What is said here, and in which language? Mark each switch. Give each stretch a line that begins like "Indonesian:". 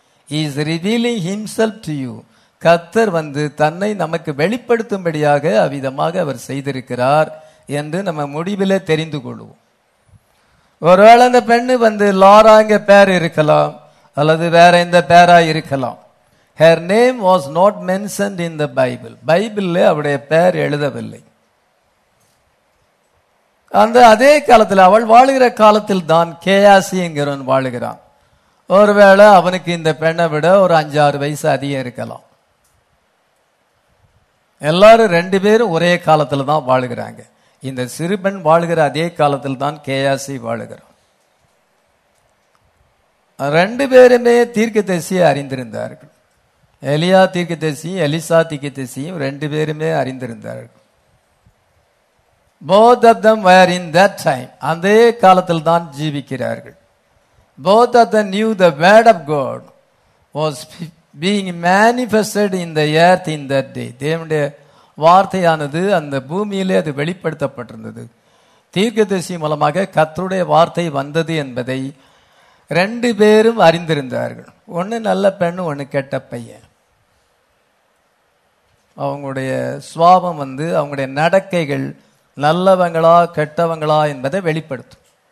English: He is revealing himself to you.
Tamil: கர்த்தர் வந்து தன்னை நமக்கு வெளிப்படுத்தும்படியாக அவிதமாக அவர் செய்திருக்கிறார் என்று நம்ம முடிவிலே தெரிந்து கொள்வோம். ஒருவேளை அந்த பெண்ணு வந்து லாராங்க பேர் இருக்கலாம், அல்லது வேற எந்த பேரா இருக்கலாம்.
English: Her name was not mentioned in the Bible.
Tamil: பைபிளில் அவருடைய பெயர் எழுதவில்லை. அந்த அதே காலத்தில் அவள் வாழுகிற காலத்தில் தான் கேஆசி என்கிறவன் வாழுகிறான். ஒருவேளை அவனுக்கு இந்த பெண்ணை விட ஒரு அஞ்சாறு வயசு அதிகம் இருக்கலாம். எல்லாரும் ரெண்டு பேரும் ஒரே காலத்தில் தான் வாழுகிறாங்க. இந்த சிறுபெண் வாழுகிற அதே காலத்தில் தான் கேஆசி வாழுகிறான். ரெண்டு பேருமே தீர்க்கதரிசியை அறிந்திருந்தார்கள். எலியா தீர்க்க தரிசியும் எலிசா தீர்க்க தரிசியும் ரெண்டு பேருமே அறிந்திருந்தார்கள்.
English: Both of them were in that time.
Tamil: அந்த காலத்தில் தான் ஜீவிக்கிறார்கள்.
English: Both of them knew the word of God was being manifested in the earth in that day.
Tamil: தேவனுடைய வார்த்தையானது அந்த பூமியிலே அது வெளிப்படுத்தப்பட்டிருந்தது. தீர்க்கதரிசி மூலமாக கர்த்தருடைய வார்த்தை வந்தது என்பதை ரெண்டு பேரும் அறிந்திருந்தார்கள். ஒன்று நல்ல பெண், ஒன்று கெட்ட பையன். அவங்களுடைய சுவாபம் வந்து அவங்களுடைய நடக்கைகள் நல்லவங்களா கெட்டவங்களா என்பதை வெளிப்படுத்தும்.